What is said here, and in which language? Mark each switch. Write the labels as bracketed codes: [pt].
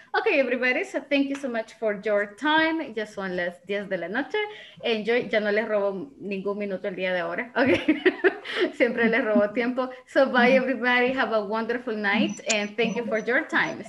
[en] Okay, everybody, so thank you so much for your time. [es] Ya son las 10 de la noche. Enjoy, ya no les robo ningún minuto el día de ahora. Okay, siempre les robo tiempo. [en] So bye, everybody, have a wonderful night and thank you for your time.